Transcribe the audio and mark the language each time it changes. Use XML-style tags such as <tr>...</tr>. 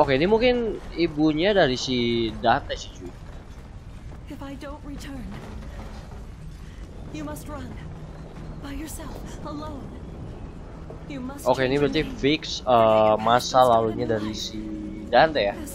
<id>Oke, ini mungkin ibunya dari si Dante sih, cuy.</id> <en>If I don't return, you must run by yourself, alone. You must.</en> <id>Oke, ini berarti fix masa lalunya dari si Dante ya.</id>